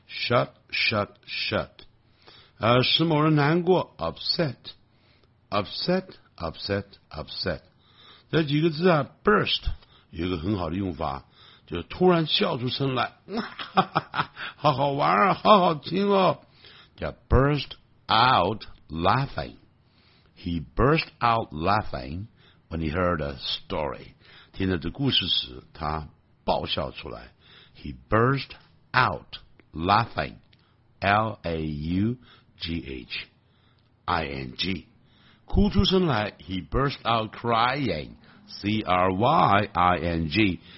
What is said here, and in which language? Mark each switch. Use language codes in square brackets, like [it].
[en] Shut, shut, shut. [zh] 使某人难过 [en] upset, upset, upset, upset. [zh] 这几个字啊 ，burst 有一个很好的用法，就是突然笑出声来，哈哈，好好玩啊，好好听哦。叫 [en] burst out laughing. He burst out laughing when he heard a story. [zh] 听着这故事时，他爆笑出来。 [en] He burst out. Laughing, L-A-U-G-H-I-N-G. [zh] 哭出声来 [en] he burst out crying, C-R-Y-I-N-G.